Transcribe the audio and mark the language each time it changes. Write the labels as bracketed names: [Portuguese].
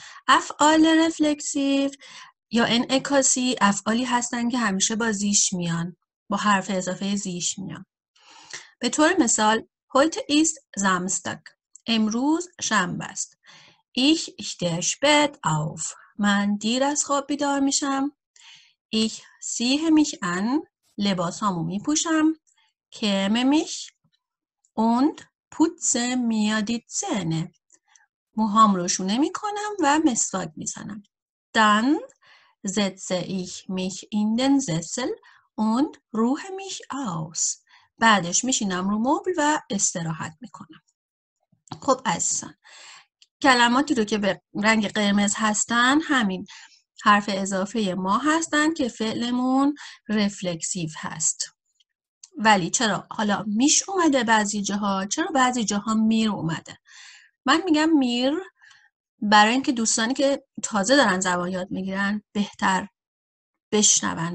[Persian] افعال رفلکسیو یا انعکاسی افعالی هستن که همیشه با زیش میان، با حرف اضافه زیش میان. به طور مثال [German] هویت ایست زامستگ، [Persian] امروز شنبه است. [German] Ich stehe spät auf. [Persian] من دیر از خواب بیدار میشم. [German] Ich ziehe mich an. [Persian] لباسامو میپوشم. [German] Käme mich und putze mir die Zähne. [Persian] موهام رو شونه میکنم و مسواک میزنم. [German] Dann setze ich mich in den Sessel und ruhe mich aus. [Persian] بعدش میشینم رو مبل و استراحت میکنم. خب عزیزان، کلماتی رو که به رنگ قرمز هستن همین حرف اضافه ما هستن که فعلمون رفلکسیو هست. ولی چرا حالا میش اومده بعضی جاها، چرا بعضی جاها میر اومده؟ من میگم میر برای اینکه دوستانی که تازه دارن زبان یاد میگیرن بهتر بشنون.